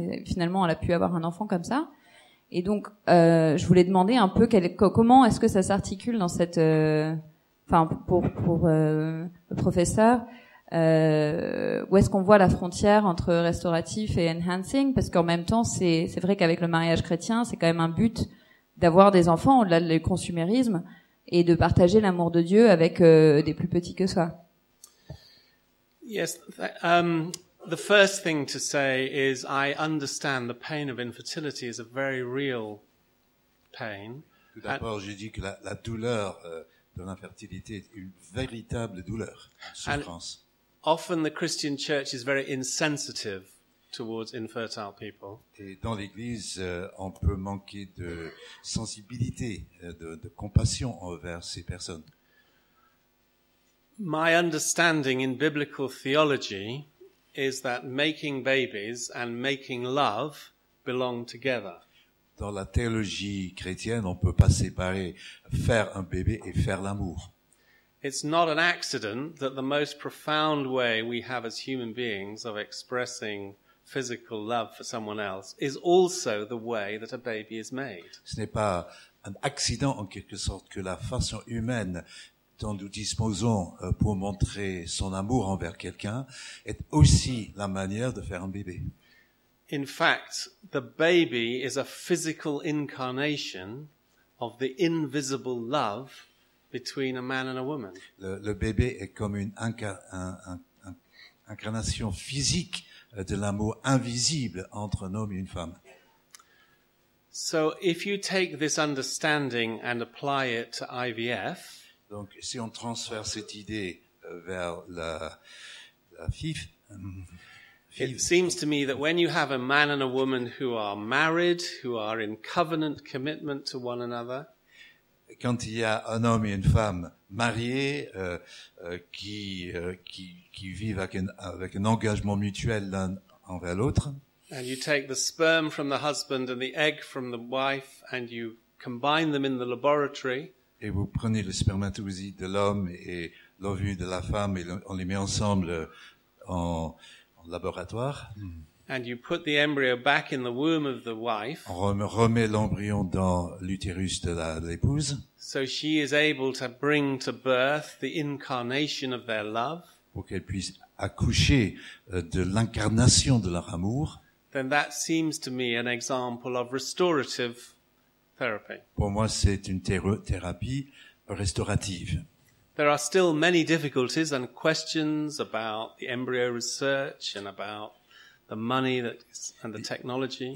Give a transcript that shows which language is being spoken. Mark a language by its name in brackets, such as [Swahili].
[French] Et finalement, elle a pu avoir un enfant comme ça. Et donc, je voulais demander un peu comment est-ce que ça s'articule dans cette, enfin, pour le professeur. Où est-ce qu'on voit la frontière entre restauratif et enhancing? Parce qu'en même temps, c'est vrai qu'avec le mariage chrétien, c'est quand même un but d'avoir des enfants au-delà du consumérisme et de partager l'amour de Dieu avec des plus petits que soi. [English] Yes, the first thing to say is I understand the pain of infertility is a very real pain. [French] Tout d'abord, j'ai dit que la douleur de l'infertilité est une véritable douleur, souffrance. [English] Often the Christian church is very insensitive towards infertile people. [French] Et dans l'église, on peut manquer de sensibilité, de compassion envers ces personnes. [English] My understanding in biblical theology is that making babies and making love belong together. [French] Dans la théologie chrétienne, on peut pas séparer faire un bébé et faire l'amour. [English] It's not an accident that the most profound way we have as human beings of expressing physical love for someone else is also the way that a baby is made. [French] Ce n'est pas un accident en quelque sorte que la façon humaine dont nous disposons pour montrer son amour envers quelqu'un est aussi la manière de faire un bébé. [English] In fact, the baby is a physical incarnation of the invisible love between a man and a woman. [French] Le bébé est comme une incarnation physique de l'amour invisible entre un homme et une femme. [English] So if you take this understanding and apply it to IVF, [French] donc si on transfère cette idée vers la FIV, [English] it seems to me that when you have a man and a woman who are married, who are in covenant commitment to one another, [French] quand il y a un homme et une femme mariés qui vivent avec un engagement mutuel l'un envers l'autre. [English] And you take the sperm from the husband and the egg from the wife and you combine them in the laboratory. [French] Et vous prenez le spermatozoïde de l'homme et l'ovule de la femme et on les met ensemble en laboratoire. [English] And you put the embryo back in the womb of the wife. [French] On remet l'embryon dans l'utérus de l'épouse. [English] So she is able to bring to birth the incarnation of their love. [French] Pour qu'elle puisse accoucher de l'incarnation de leur amour. [English] Then that seems to me an example of restorative therapy. [French] Pour moi, c'est une thérapie restaurative. [English] There are still many difficulties and questions about the embryo research and about the money that is, and the technology.